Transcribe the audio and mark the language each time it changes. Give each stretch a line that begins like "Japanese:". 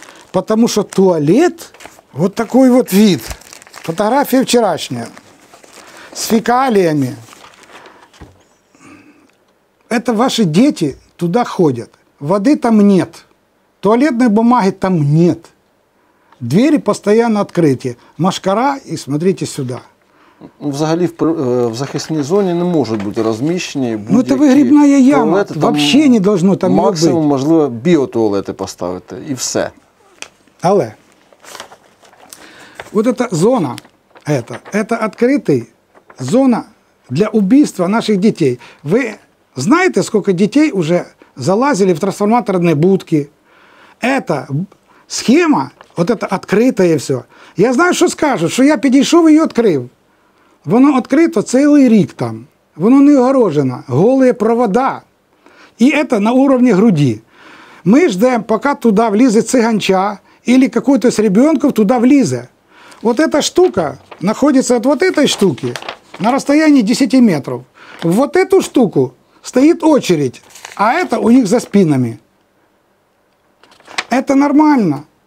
Russian: Потому что туалет... Вот такой вот вид. Фотография вчерашняя. С фекалиями. Это ваши дети туда ходят. Воды там нет. Туалетной бумаги там нет. Двери постоянно открыты. Машкара и смотрите сюда.
Ukrainian: Взагалі в захисній зоні не можуть бути розміщені. Ну, це вигрібна яма.
Russian: Туалети, вообще не должно там
Ukrainian: максимум, бути. Максимум, можливо, біотуалети поставити. І все. Але...
Russian: Вот эта зона, это открытая зона для убийства наших детей. Вы знаете, сколько детей уже залазили в трансформаторные будки? Это схема, вот это открытое все. Я знаю, что скажут, что я подошел и ее открыл. Воно открыто целый рік там. Воно не огорожено. Голые провода. И это на уровне груди. Мы ждем, пока туда влезет цыганча или какой-то из ребенков туда влезет. Вот эта штука находится от вот этой штуки на расстоянии 10 метров. В вот эту штуку стоит очередь, а это у них за спинами. Это нормально.